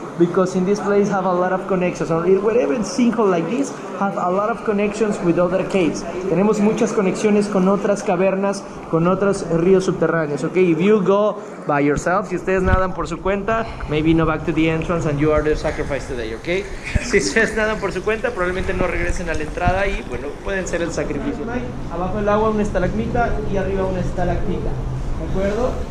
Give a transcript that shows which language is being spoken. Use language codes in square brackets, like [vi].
[en] because in this place have a lot of connections. Wherever it's single like this, have a lot of connections with other caves. [es] Tenemos muchas conexiones con otras cavernas, con otros ríos subterráneos. [en] Okay, if you go by yourself, [es] si ustedes nadan por su cuenta, [en] maybe no back to the entrance and you are the sacrifice today, okay? [es] Si ustedes nadan por su cuenta, probablemente no regresen a la entrada y, bueno, pueden ser el sacrificio. Abajo el agua una estalagmita y arriba una estalactita, ¿de acuerdo?